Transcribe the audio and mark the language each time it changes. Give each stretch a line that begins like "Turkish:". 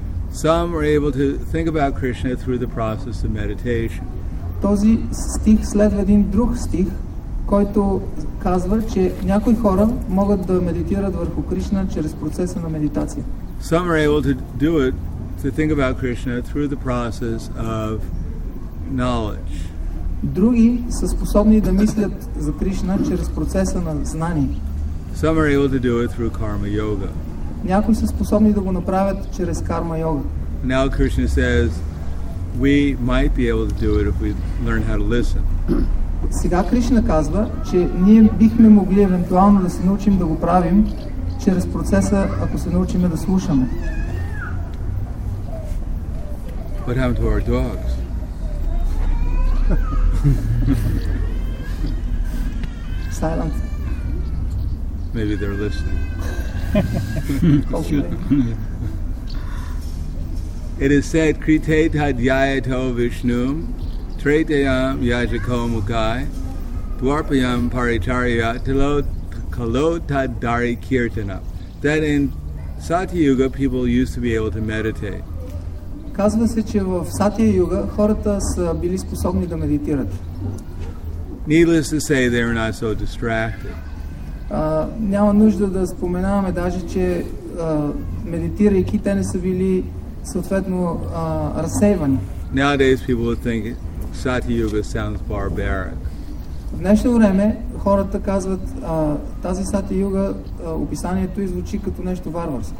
English: Some are able to think about Krishna through the process of meditation.
Bulgarian: Този стих следва един друг стих, който казва, че някои хора могат да медитират върху Кришна чрез процеса на медитация.
English: Some are able to do it, to think about Krishna through the process of knowledge.
Bulgarian: Други са способни да мислят за Кришна чрез процеса на знание.
English: Some are able to do it through karma yoga.
Bulgarian: Някои са способни да го направят чрез карма йога.
English: Now Krishna says, we might be able to do it if we learn how to listen.
Bulgarian: Сега Кришна казва, че ние бихме могли евентуално да се научим да го правим чрез процеса, ако се научим да слушаме.
English: What happened to our dogs? Silence. Maybe they're listening. It is said,
Sanskrit: Krite tadyayato vishnum Tretayam yajako mukai Dwarpayam paricharya Kalotadari kirtana.
English: That in Satyayuga people used to be able to meditate.
Bulgarian: Казва се, че в Сатия Юга хората са били способни да медитират.
English: Needless to say, they were not so distracted.
Bulgarian: Няма нужда да споменаваме даже, че медитирайки те не са били съответно разсейвани.
English: Nowadays people would think Сатия Юга sounds barbaric.
Bulgarian: В днешно време хората казват, тази Сатия Юга, описанието й звучи като нещо варварско.